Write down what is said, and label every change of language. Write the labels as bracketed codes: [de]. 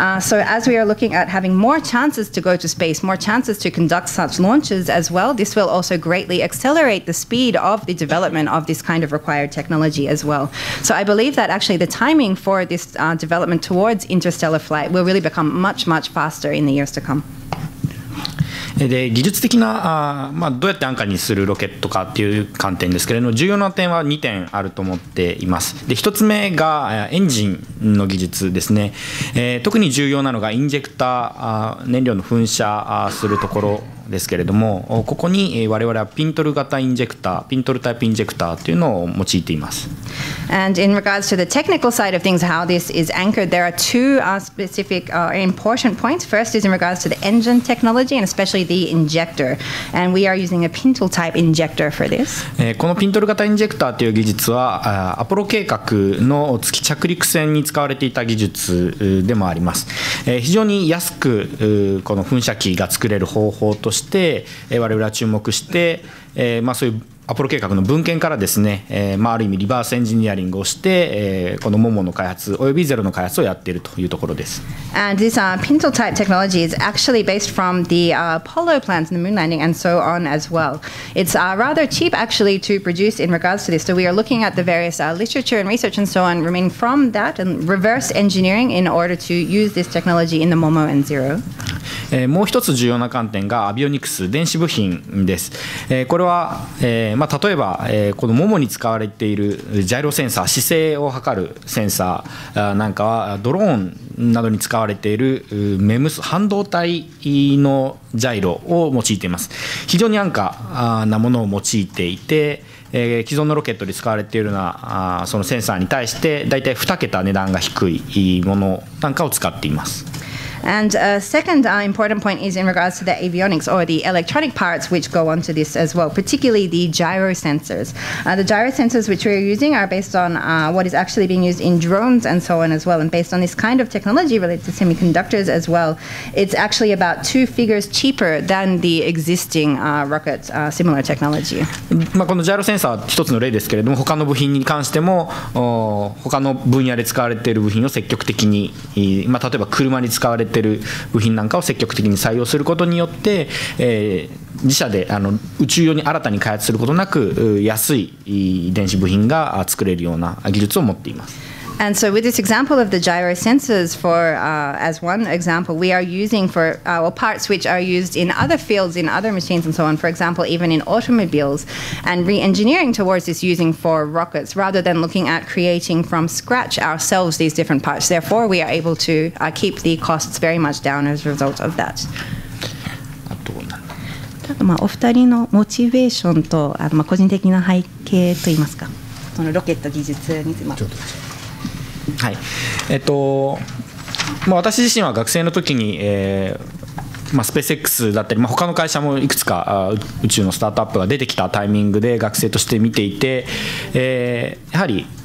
[en] So as we are looking at having more chances to go to space, more chances to conduct such launches as well, this will also greatly accelerate the speed of the development of this kind of required technology as well. So I believe that actually the timing for this development towards interstellar flight will really become much faster in the years to come. [ja] で、技術的な、まあ、どうやって安価にするロケットかという観点ですけれども、重要な点は2点あると思っています。で、1つ目がエンジンの技術ですね。特に重要なのがインジェクター、燃料の噴射するところですけれども、ここに我々はピントル型インジェクター、ピントルタイプインジェクターというのを用いています。 [en] And in regards to the technical side of things, how this is anchored, there are two specific important points. First is in regards to the engine technology and especially the injector, and we are using a pintle type injector for this. [ja] このピントル型インジェクターという技術はアポロ計画の月着陸船に使われていた技術でもあります。非常に安くこの噴射器が作れる方法として我々は注目して、まあ、そういうアポロ計画の文献からですね、まあ、ある意味リバースエンジニアリングをして、このモモの開発およびゼロの開発をやっているというところです。 [en] And this pintle type technology is actually based from the Apollo plans and the moon landing and so on as well. It's rather cheap actually to produce in regards to this. So we are looking at the various literature and research and so on remaining from that and reverse engineering in order to use this technology in the Momo and Zero. [ja] もう一つ重要な観点がアビオニクス、電子部品です。これは、まあ、例えば、このモモに使われているジャイロセンサー、姿勢を測るセンサーなんかはドローンなどに使われているメムス、半導体のジャイロを用いています。非常に安価なものを用いていて、既存のロケットで使われているようなそのセンサーに対してだいたい2桁値段が低いものなんかを使っています。 [en] And a second important point is in regards to the avionics or the electronic parts which go onto this as well, particularly the gyro sensors. The gyro sensors which we're using are based on what is actually being used in drones and so on as well, and based on this kind of technology related to semiconductors as well, it's actually about two figures cheaper than the existing rocket similar technology. [ja] まあこのジャイロセンサー一つの例ですけれども、他の部品に関しても他の分野で使われている部品を積極的に、まあ例えば車に使われてる部品なんかを積極的に採用することによって、自社で宇宙用に新たに開発することなく安い電子部品が作れるような技術を持っています。 [en] And so with this example of the gyro sensors for as one example, we are using for parts which are used in other fields, in other machines and so on, for example, even in automobiles, and re-engineering towards this using for rockets rather than looking at creating from scratch ourselves these different parts. Therefore, we are able to keep the costs very much down as a result of that. [ja] まあ、お二人のモチベーションと、まあ、個人的な背景といいますか、そのロケット技術について、まあはい、まあ、私自身は学生の時に、まあ、スペース X だったり、まあ、他の会社もいくつか宇宙のスタートアップが出てきたタイミングで学生として見ていて、やはり